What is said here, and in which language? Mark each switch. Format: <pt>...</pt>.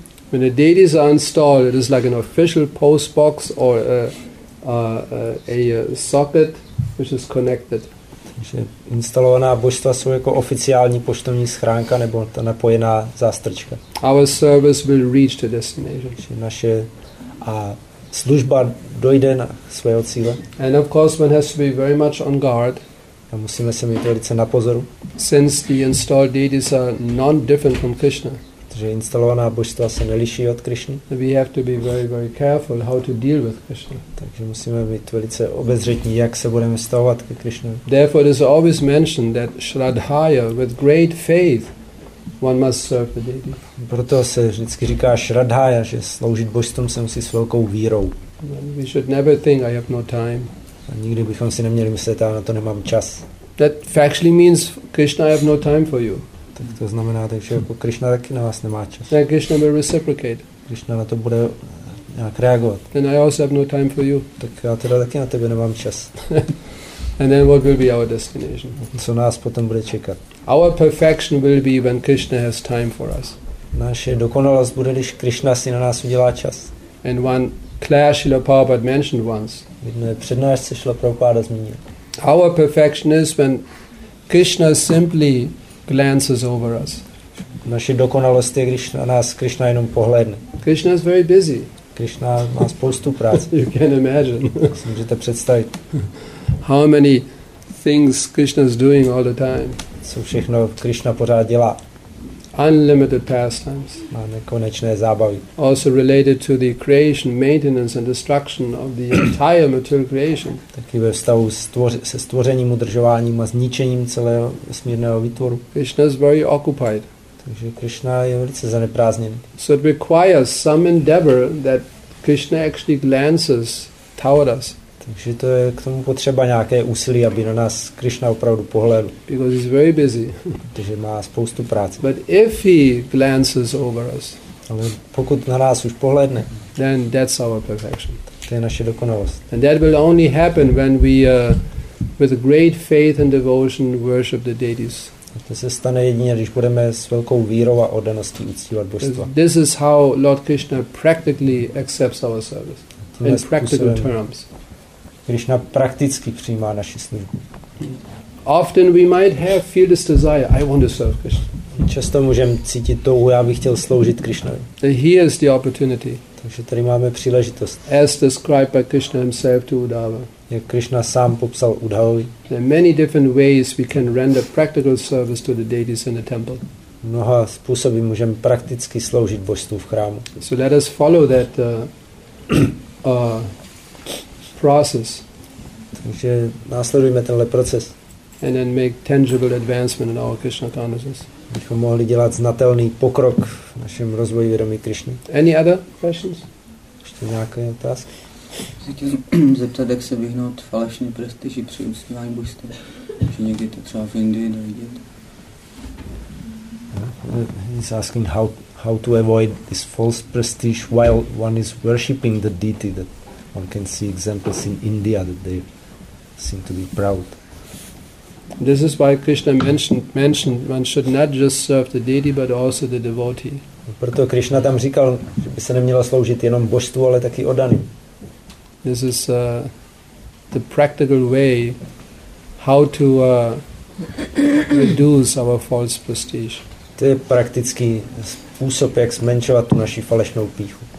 <en>When the deities are installed, it is like an official post box or a socket which is connected.</en> <cs>Že instalovaná božstva jsou jako oficiální poštovní schránka nebo ta napojená zástrčka.</cs> <en>Our service will reach the destination.</en> <cs>Že naše a služba dojde na svého cíle.</cs> <en>And of course one has to be very much on guard.</en> <cs>A musíme se mít velice na pozoru.</cs> <en>Since the installed deities are non-different from Krishna.</en> <cs>Že instalovaná božstva se neliší od Krishny.</cs> <en>We have to be very, very careful how to deal with Krishna.</en> <cs>Takže musíme být velice obezřetní, jak se budeme stavovat ke Krishna.</cs> <en>Therefore, it is always mentioned that Shraddhaya, with great faith, one must serve the deity.</en> <cs>Proto se vždycky říká Shraddhaya, že sloužit božstvům se musí s velkou vírou.</cs> <en>We should never think I have no time.</en> <cs>A nikdy bychom si neměli myslet, já na to nemám čas.</cs> <en>That factually means Krishna, I have no time for you.</en> <cs>Tak to znamená, takže jako Krishna taky na vás nemá čas.</cs> <en>Then Krishna will reciprocate.</en> <cs>Krishna na to bude nějak reagovat.</cs> <en>Then I also have no time for you.</en> <cs>Tak já teda taky na tebe nemám čas.</cs> <en>And then what will be our destination?</en> <cs>Co nás potom bude čekat?</cs> <en>Our perfection will be when Krishna has time for us.</en> <cs>Naše dokonalost bude, když Krishna si na nás udělá čas.</cs> <en>And one class Srila Prabhupada mentioned once.</en> <cs>V jedné přednášce Srila Prabhupada zmínil.</cs> <en>Our perfection is when Krishna simply glances over us.</en> <cs>Naše dokonalost je, když na nás Krishna jenom pohledne.</cs> <en>Krishna is very busy.</en> <cs>Krishna má spoustu práce.</cs> <en>You can imagine.</en> <cs>Si můžete představit.</cs> <en>How many things Krishna is doing all the time.</en> <cs>Co všechno Krishna pořád dělá.</cs> <en>Unlimited pastimes.</en> <cs>Má nekonečné zábavy.</cs> <en>Also related to the creation, maintenance and destruction of the entire material creation.</en> <cs>Taky ve vztahu se stvořením, udržováním a zničením celého vesmírného výtvoru.</cs> <en>Krishna is very occupied.</en> <cs>Takže Krishna je velice zaneprázdněný.</cs> <en>So it requires some endeavor that Krishna actually glances toward us.</en> <cs>Takže to je k tomu potřeba nějaké úsilí, aby na nás Krishna opravdu pohlédl.</cs> <en>Because he's very busy.</en> <cs>Protože má spoustu práce.</cs> <en>But if he glances over us,</en> <cs>ale pokud na nás už pohlédne,</cs> <en>then that's our perfection.</en> <cs>To je naše dokonalost.</cs> <en>And that will only happen when we, with great faith and devotion, worship the deities.</en> <cs>A to se stane jedině, když budeme s velkou vírou a oddaností uctívat božstva.</cs> <en>This is how Lord Krishna practically accepts our service. in practical terms.</en> <cs>Krishna prakticky přijímá naši službu.</cs> <en>Often we might have feel this desire, I want to serve Krishna.</en> <cs>Často můžeme cítit touhu, já bych chtěl sloužit Krishnovi.</cs> <en>Here is the opportunity.</en> <cs>Takže tady máme příležitost.</cs> <en>As described by Krishna himself to Uddhava.</en> <cs>Jak Krishna sám popsal Uddhavovi.</cs> <en>There are many different ways we can render practical service to the deities in the temple.</en> <cs>Mnoha způsoby můžeme prakticky sloužit božstvu v chrámu.</cs> <en>So let us follow that process.</en> <cs>Takže následujeme tenhle proces.</cs> <en>And then make tangible advancement in our Krishna consciousness.</en> <cs>Abychom mohli dělat znatelný pokrok v našem rozvoji vědomí Krishna.</cs> <en>Any other questions?</en> <cs>Ještě nějaké otázky? Chtěl zeptat, jak se vyhnout falešné prestiži při uctívání božstva. Že někdy to třeba v Indii nevidět.</cs> <en>He's asking how to avoid this false prestige while one is worshipping the deity, that one can see examples in India that they seem to be proud. This is why Krishna mentioned one should not just serve the deity but also the devotee.</en> <cs>Proto Krishna tam říkal, že by se nemělo sloužit jenom božstvu, ale taky oddaným.</cs> <en>This is the practical way how to reduce our false prestige.</en> <cs>To je praktický způsob, jak zmenšovat tu naši falešnou píchu.</cs>